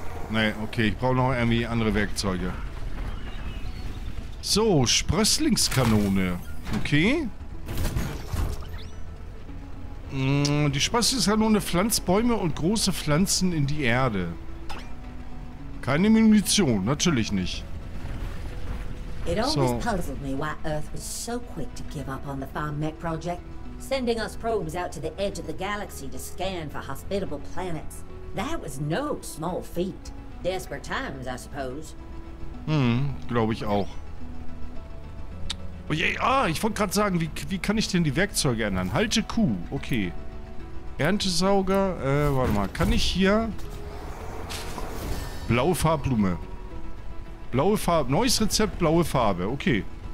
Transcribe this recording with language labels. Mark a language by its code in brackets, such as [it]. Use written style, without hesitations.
[de] Nee, okay, ich brauche noch irgendwie andere Werkzeuge. So, Sprösslingskanone. Okay. Die Sprösslingskanone pflanzt Bäume und große Pflanzen in die Erde. Keine Munition, natürlich nicht. [en] It always puzzled me why Earth was so quick to give up on the Farm Mech Project, sending us probes out to the edge of the galaxy to scan for hospitable planets. That was no small feat. Desperate times, I suppose. [de] Hm, glaube ich auch. Oh je, ich wollte gerade sagen, wie kann ich denn die Werkzeuge ändern? Halte Q, okay. Erntesauger, warte mal, kann ich hier... Blaue Farbblume. Blaue Farbe. Neues Rezept, blaue Farbe. Okay.